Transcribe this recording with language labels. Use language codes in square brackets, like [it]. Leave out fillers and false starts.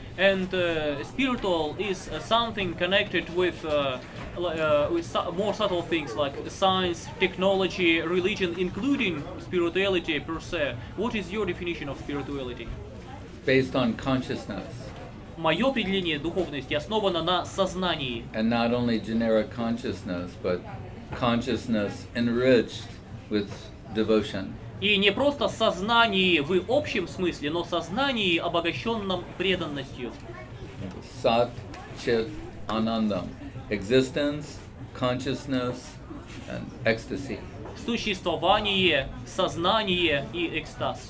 [en] And spiritual is something connected with more subtle things like science, technology, religion, including spirituality per se. What is your definition of spirituality? Based on consciousness. [ru] Моё определение духовности основано на сознании. [en] And not only generic consciousness, but consciousness enriched with devotion. [ru] И не просто сознание в общем смысле, но сознание, обогащенном преданностью. [en] Сат, чит, анандам. Existence, consciousness, and ecstasy. [ru] Существование, сознание и экстаз.